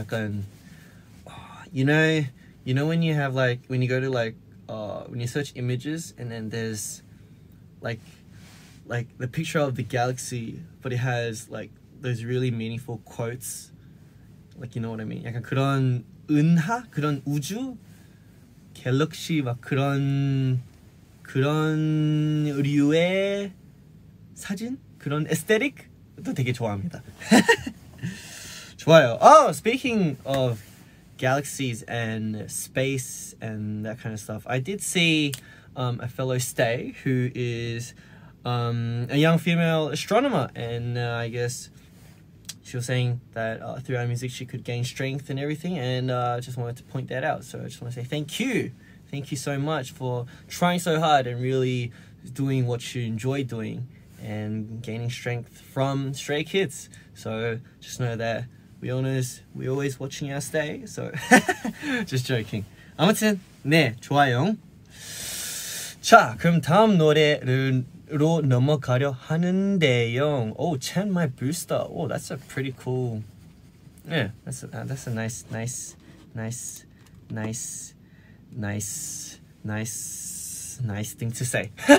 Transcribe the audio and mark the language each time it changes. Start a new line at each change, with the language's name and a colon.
English: 약간 you know when you have like when you go to like when you search images and then there's like the picture of the galaxy but it has like those really meaningful quotes. Like you know what I mean?
Korean: 약간 그런 은하? 그런 우주? 갤럭시 막 그런 류의 사진? 그런 에스테틱도 되게 좋아합니다. 좋아요.
English: Oh, speaking of galaxies and space and that kind of stuff, I did see a fellow stay who is a young female astronomer. And I guess she was saying that through our music she could gain strength and everything. And I just wanted to point that out. So I just want to say thank you. Thank you so much for trying so hard and really doing what you enjoy doing. And gaining strength from Stray Kids. So just know that we always watching our stay. So just joking.
Korean: 아무튼 네 좋아요. 자 그럼 다음 노래로 넘어가려 하는데요.
English: Oh, Chen My Booster. Oh, that's a pretty cool. Yeah, that's a nice thing to say.